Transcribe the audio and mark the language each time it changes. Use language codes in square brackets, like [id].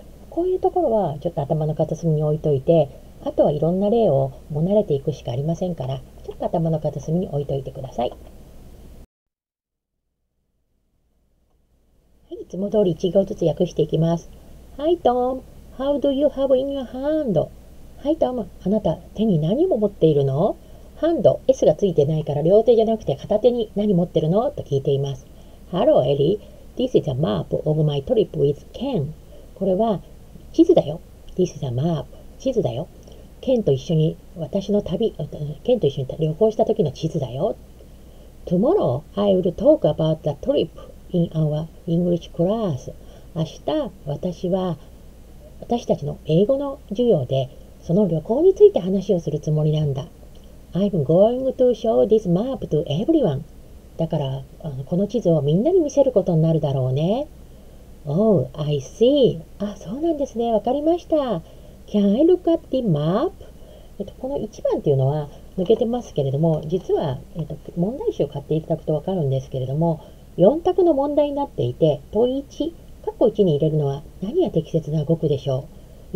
[ja] こういうところはちょっと頭の片隅に置いといて、あとはいろんな例をも慣れていくしかありませんから、ちょっと頭の片隅に置いといてください。はい、いつも通り一行ずつ訳していきます。 [en] Hi Tom, how do you have in your hand? [ja] Hi Tom, あなた手に何を持っているの？ Hand, S がついてないから両手じゃなくて片手に何持ってるの？と聞いています。 [en] Hello Ellie, this is a map of my trip with Ken. [ja] これは地図だよ。 [en] This is a map. [ja] 地図だよ。 Ken と一緒に私の旅、Ken と一緒に旅行した時の地図だよ。 [en] Tomorrow, I will talk about the trip in our English class. [ja] 明日、私たちの英語の授業で、その旅行について話をするつもりなんだ。 [en] I'm going to show this map to everyone. [ja] だから、この地図をみんなに見せることになるだろうね。 [en] Oh, I see. [ja] あ、そうなんですね。わかりました。 [en] Can I look at the map? [ja] この1番っていうのは抜けてますけれども、実は、問題集を買っていただくとわかるんですけれども、4択の問題になっていて、問1、括弧1に入れるのは何が適切な語句でしょう。